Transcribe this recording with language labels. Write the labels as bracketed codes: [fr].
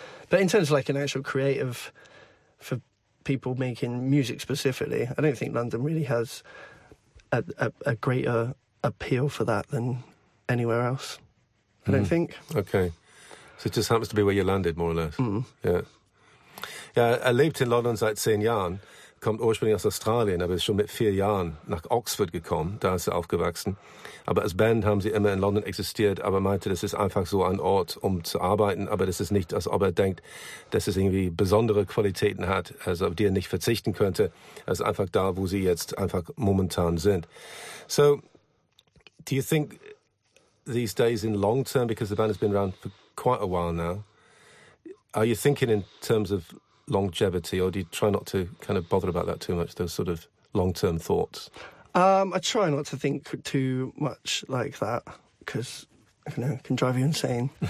[en] But in terms of, like, an actual creative for people making music specifically, I don't think London really has a greater appeal for that than anywhere else, I don't think. OK. So it just happens to be where you landed, more or less. Mm. Yeah. [de] Ja, er lebt in London seit 10 Jahren, kommt ursprünglich aus Australien, aber ist schon mit 4 Jahren nach Oxford gekommen, da ist er aufgewachsen. Aber als Band haben sie immer in London existiert, aber meinte, das ist einfach so ein Ort, um zu arbeiten, aber das ist nicht, als ob er denkt, dass es irgendwie besondere Qualitäten hat, also auf die er nicht verzichten könnte. Er ist einfach da, wo sie jetzt einfach momentan sind. [en] So, do you think these days in long term, because the band has been around for quite a while now, are you thinking in terms of longevity, or do you try not to kind of bother about that too much, those sort of long-term thoughts? I try not to think too much like that, because, you know, it can drive you insane.